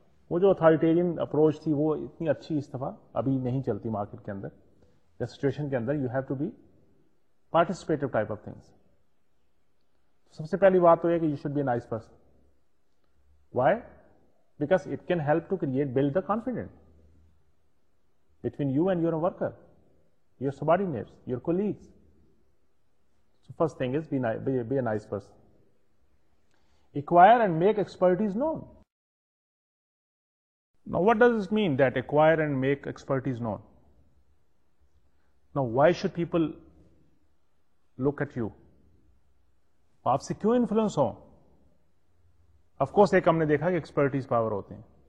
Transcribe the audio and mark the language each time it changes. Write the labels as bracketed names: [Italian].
[Urdu] وہ جو authoritarian approach تھی وہ اتنی اچھی اس دفعہ ابھی نہیں چلتی مارکیٹ کے اندر یا سچویشن کے اندر. [English] You have to be participative type of things. [Urdu] سب سے پہلی بات تو یہ کہ [English] You should be a nice person. Why? Because it can help to create build the confident between you and your worker, your subordinates, your colleagues. So first thing is be a nice person. Acquire and make expertise known. Now, what does this mean, that acquire and make expertise known? Now, why should people look at you? [Urdu] Aap se kyun influence ho? [English] Of course, [Urdu] ek humne dekha ki expertise power hote hain.